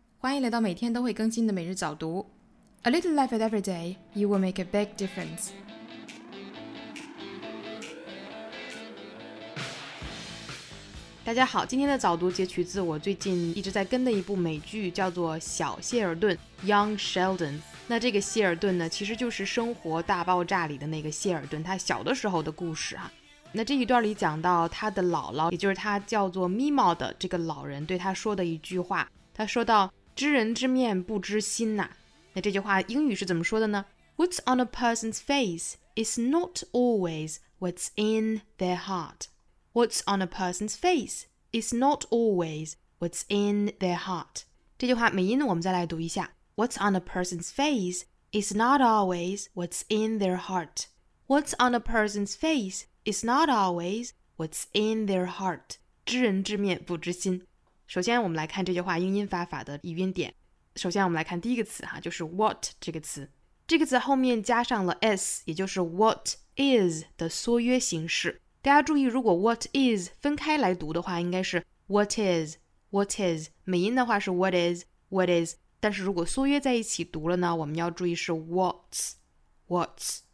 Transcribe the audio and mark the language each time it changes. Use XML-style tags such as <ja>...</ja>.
<zh>欢迎来到每天都会更新的每日早读。</zh> <en>A little life at every day, you will make a big difference.</en> <zh>大家好，今天的早读截取自我最近一直在跟的一部美剧，叫做《小谢尔顿》（Young Sheldon）。那这个谢尔顿呢，其实就是《生活大爆炸》里的那个谢尔顿，他小的时候的故事啊。那这一段里讲到他的姥姥，也就是他叫做咪猫的这个老人对他说的一句话，他说到知人知面不知心呐、啊。那这句话英语是怎么说的呢？</zh> <en>What's on a person's face is not always what's in their heart. What's on a person's face is not always what's in their heart.</en> <zh>这句话美音我们再来读一下。</zh> <en>What's on a person's face is not always what's in their heart. What's on a person's face is not always what's in their heart.</en> <zh>知人知面不知心。首先我们来看这句话英音发法的语音点。首先我们来看第一个词哈，就是 what 这个词。这个词后面加上了 s， 也就是 what is 的缩约形式。大家注意，如果 what is 分开来读的话，应该是 what is what is， 美音的话是 what is what is， 但是如果缩约在一起读了呢，我们要注意是 what's what's。</zh>